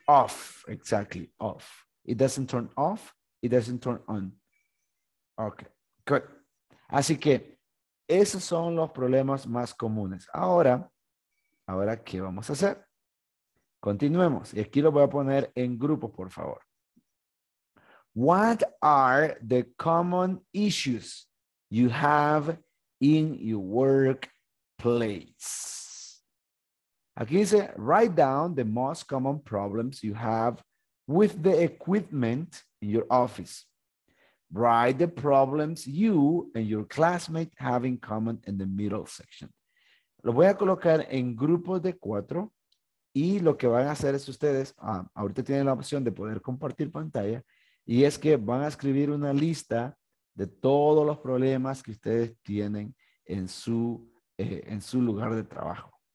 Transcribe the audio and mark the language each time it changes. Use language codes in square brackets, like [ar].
[en] Off, exactly, off. It doesn't turn off, it doesn't turn on. Okay, good. [es] Así que esos son los problemas más comunes. Ahora, ¿qué vamos a hacer? Continuemos. Y aquí lo voy a poner en grupo, por favor. [en] What are the common issues you have in your workplace? [es] Aquí dice, [en] write down the most common problems you have with the equipment in your office. Write the problems you and your classmate have in common in the middle section. [es] Lo voy a colocar en grupos de cuatro y lo que van a hacer es ustedes, ahorita tienen la opción de poder compartir pantalla y es que van a escribir una lista de todos los problemas que ustedes tienen en su lugar de trabajo.